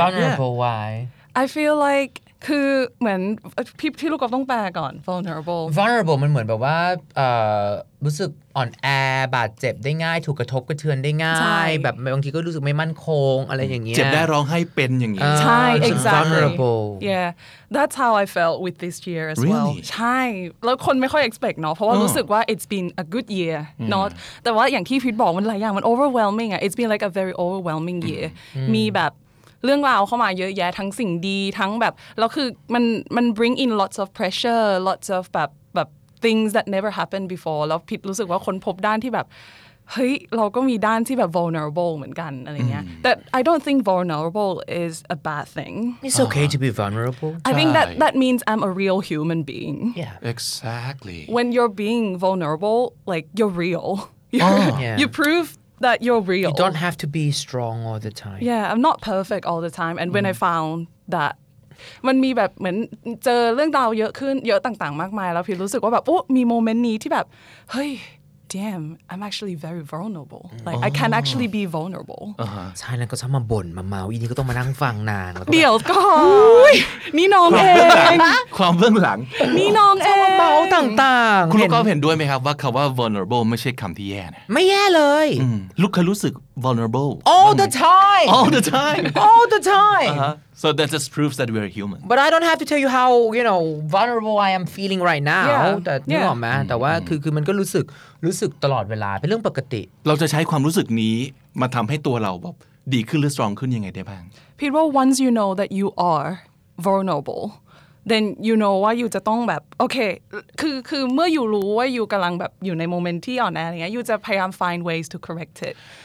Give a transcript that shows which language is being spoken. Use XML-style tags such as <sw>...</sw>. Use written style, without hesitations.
<en>vulnerable why I feel like</en> <th>คือเหมือนพี่ลูกกอล์ฟต้องแปลก่อน vulnerable มันเหมือนแบบว่ารู้สึกอ่อนแอบาดเจ็บได้ง่ายถูกกระทบกระเทือนได้ง่ายแบบบางทีก็รู้สึกไม่มั่นคงอะไรอย่างเงี้ ย เจ็บได้ร้องให้เป็นอย่างเงี้ ย ใช่</th> <en>exactly vulnerable yeah that's how I felt with this year as really?</en> <th>well ใช่แล้วคนไม่ค่อย expect เนาะเพราะว่ารู้สึกว่า</th> <en>it's been a good year not</en> <th>แต่ว่าอย่างที่พี่บอกมันหลายอย่างมัน overwhelming อ่ะ</th> <en>it's been like a very overwhelming year</en> <th>มีแบบเรื่องราวเข้ามาเยอะแยะทั้งสิ่งดีทั้งแบบแล้วคือมัน</th> <en>bring in lots of pressure lots of</en> <th>แบบ</th> <en>things that never happened before</en> <th>แล้วผิดรู้สึกว่าคนพบด้านที่แบบเฮ้ยเราก็มีด้านที่แบบ vulnerable เหมือนกันอะไรเงี้ย</th> <en>that I don't think vulnerable is a bad thing it's okay to be vulnerable I think that means I'm a real human being yeah exactly when you're being vulnerable like you're real you prove that you're real. You don't have to be strong all the time. Yeah, I'm not perfect all the time. And when I found that,</en> <th>มันมีแบบเหมือนเจอเรื่องราวเยอะขึ้นเยอะต่างๆมากมายแล้วพี่รู้สึกว่าแบบโอ้มีโมเมนต์นี้ที่แบบเฮ้ย</th> <en>damn I'm actually very vulnerable like I can actually be vulnerable</en> <th>ใช่แล้วก็ชอบมาบ่นมาเมาอีนี่ก็ต้องมานั่งฟังนาง เดี๋ยวก่อนนี่น้องเอง ความเบื้องหลัง นี่น้องเอง ชอบมาเมาต่างๆ คุณก็เห็นด้วยไหมครับว่าคำว่า vulnerable ไม่ใช่คำที่แย่นะ ไม่แย่เลย ลูกเคยรู้สึก vulnerable</th> <en>all the time So that just proves that we're human. But I don't have to tell you how, you know, vulnerable I am feeling right now.</en> <th>แต่ว่าคือมันก็รู้สึกตลอดเวลาเป็นเรื่องปกติ เราจะใช้ความรู้สึกนี้มาทำให้ตัวเราแบบดีขึ้นหรือ strong ขึ้นยังไงได้บ้าง</th> <en>People, once you know that you are vulnerable, then you know why you</en> <th>จะต้องแบบโอเคคือเมื่ออยู่รู้ว่าอยู่กำลังแบบอยู่ในโมเมนต์ที่อ่อนแออะไรเงี้ยอยู่จะพยายาม</th> <en>find ways to correct it.</en>